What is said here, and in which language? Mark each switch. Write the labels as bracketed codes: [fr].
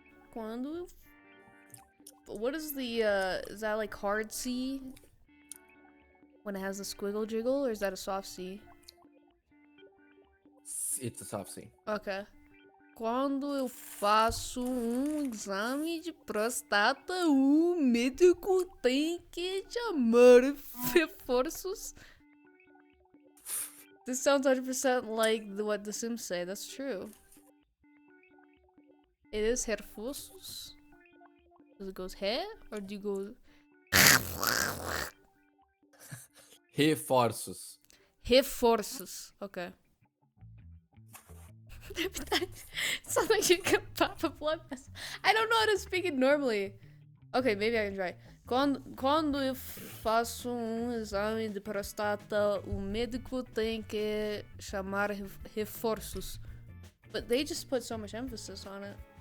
[pt] Quando... [en] What is the, is that like hard C when it has the squiggle jiggle, or is that a soft C? It's a soft C. Okay. [pt] Quando eu faço exame de prostata, o médico tem que chamar reforços. [en] This sounds 100% like what the Sims say, that's true. It is reforços. Does it go hair or do you go [pt] reforços? [en] Reforços, okay. It's not like you can pop a blood vessel. I don't know how to speak it normally. Okay, maybe I can try. [pt] Quando eu faço exame de prostata, o médico tem que chamar reforços. [en] But they just put so much emphasis on it.